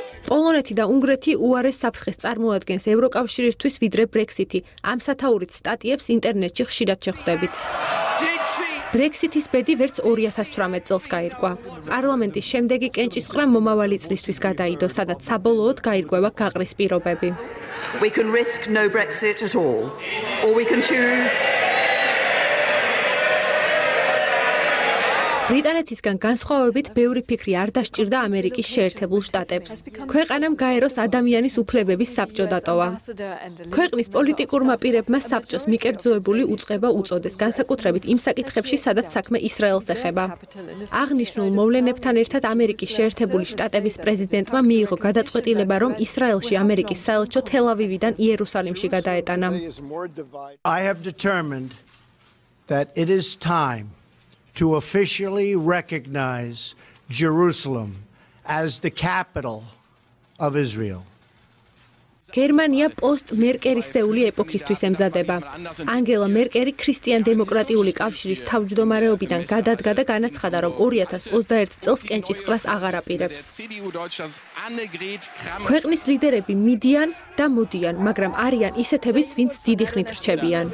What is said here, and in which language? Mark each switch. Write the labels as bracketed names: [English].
[Georgian] პოლონეთი და უნგრეთი უარეს საფრთხეს წარმოადგენს ევროკავშირისთვის ვიდრე ბრექსიტი. ამ სათაურით სტატიებს ინტერნეტში ხშირად შეხვდებით. ბრექსიტის ბედი ვერც 2018 წელს გაირკვა. პარლამენტის შემდეგი კენჭისყრა მომავალი წლისთვის გადაიდო, სადაც საბოლოოდ გაირკვევა გაყრის პირობები. [English] We can risk no Brexit at all, or we can choose. [Georgian] ბრიტანეთისგან განსხვავებით ბევრი ფიქრი არ დასჭირდა ამერიკის შეერთებულ შტატებს. ქვეყანამ გაეროს ადამიანის უფლებების საბჭო დატოვა. ქვეყნის პოლიტიკურმა პირებმა საბჭოს მიკერძოებული უწყება უწოდეს, განსაკუთრებით იმ საკითხებში, სადაც საქმე ისრაელს ეხება. აღნიშნულ მოვლენებთან ერთად ამერიკის შეერთებული შტატების პრეზიდენტმა მიიღო გადაწყვეტილება, რომ ისრაელში ამერიკის საელჩო თელავივიდან იერუსალიმში გადაეტანა. [English] I have determined that it is time to officially recognize Jerusalem as the capital of Israel. [Georgian] გერმანია პოსტ-მერკერისეული ეპოქისთვის ემზადება. ანგელა მერკერი ქრისტიან-დემოკრატიული კავშირის თავმჯდომარეობიდან გადადგა და განაცხადა, რომ 2021 წელს კენჭისყრას აღარ აპირებს. ქვეყნის ლიდერები მიდიან და მოდიან, მაგრამ არიან ისეთებიც, ვინც დიდი ხნით რჩებიან.